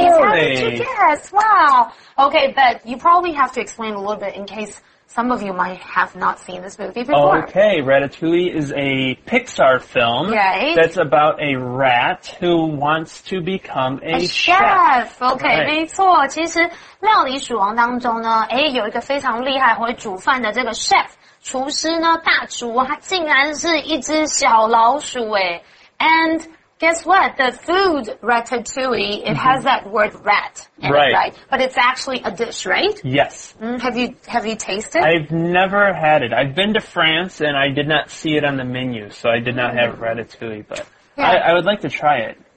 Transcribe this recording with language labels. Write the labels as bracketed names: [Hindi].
[English] How did you guess? Wow. Okay, but you probably have to explain a little bit in case some of you might have not seen this movie before. Okay, Ratatouille is a Pixar film. Right. That's about a rat who wants to become a chef. Okay, right. [Chinese] 没错。其实料理鼠王当中呢，哎，有一个非常厉害会煮饭的这个 chef 厨师呢，大厨，他竟然是一只小老鼠哎。 [English] And guess what? The food Ratatouille, it has that word rat in right. it, right? But it's actually a dish, right? Yes. Have you tasted? I've never had it. I've been to France and I did not see it on the menu, so I did not have Ratatouille, but I would like to try it.